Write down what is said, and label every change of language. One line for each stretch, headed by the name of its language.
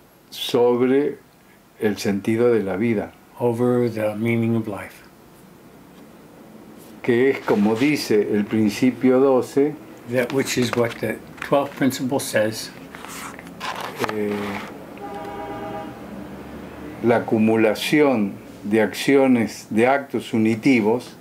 Spanish: sobre el sentido de la vida.
English: Over the meaning of life.
Spanish: Que es como dice el principio 12.
English: That which is what the 12th principle says.
Spanish: La acumulación de acciones, de actos unitivos.